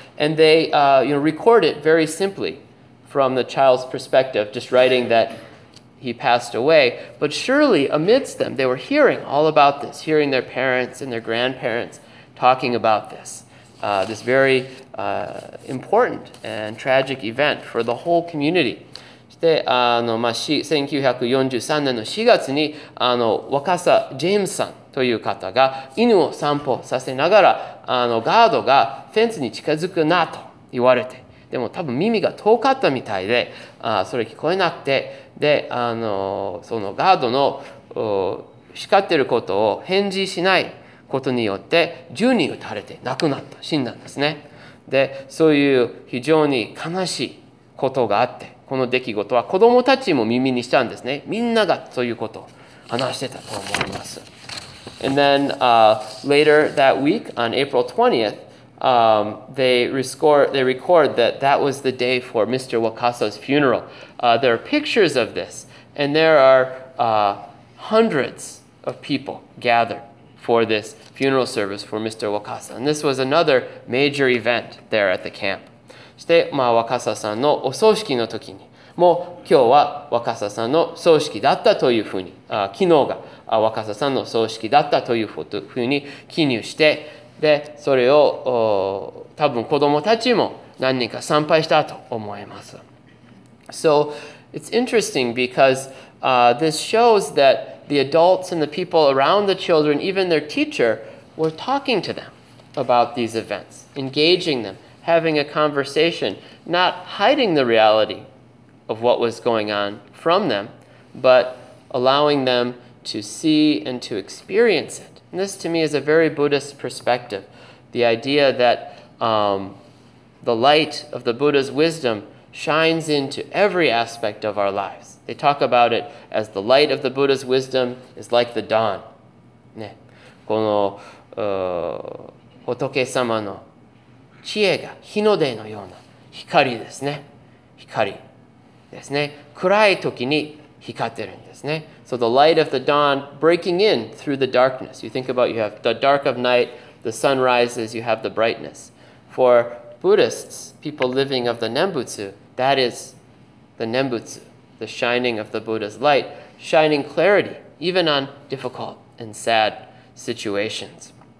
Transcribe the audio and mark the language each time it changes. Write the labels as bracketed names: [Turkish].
[English] And they record it very simply from the child's perspective, just writing that he passed away. But surely amidst them, they were hearing all about this, hearing their parents and their grandparents talking about this. This very important and tragic event for the whole community. [Japanese] そして、1943年の4月に、若さジェームスさんという方が犬を散歩させながら、ガードがフェンスに近づくなと言われて、でも多分耳が遠かったみたいで、それ聞こえなくて、で、そのガードの叱ってることを返事しない、ことによって10人撃たれて亡くなった、死んだんですね。で、そういう非常に悲しいことがあって、この出来事は子供たちも耳にしたんですね。みんながそういうことを話してたと思います。 [English] And then, later that week, on April 20th, they record that that was the day for Mr. Wakasa's funeral. There are pictures of this, and there are hundreds of people gathered. For this funeral service for Mr. Wakasa. And this was another major event there at the camp. [Japanese] そして、Wakasa さんのお葬式の時に、もう今日は Wakasa さんの葬式だったというふうに、昨日が Wakasa さんの葬式だったというふうに記入して、で、それを多分子供たちも何人か参拝したと思います。 [English] So it's interesting because this shows that. The adults and the people around the children, even their teacher, were talking to them about these events, engaging them, having a conversation, not hiding the reality of what was going on from them, but allowing them to see and to experience it. And this, to me, is a very Buddhist perspective, the idea that the light of the Buddha's wisdom shines into every aspect of our lives. They talk about it as the light of the Buddha's wisdom is like the dawn.、 [Japanese] ね、この仏様の知恵が日の出のような光ですね。光ですね。暗い時に光ってるんですね。 [English] So the light of the dawn breaking in through the darkness. You think about you have the dark of night, the sun rises, you have the brightness. For Buddhists, people living of the Nembutsu, that is the Nembutsu. The shining of the Buddha's light, shining clarity, even on difficult and sad situations.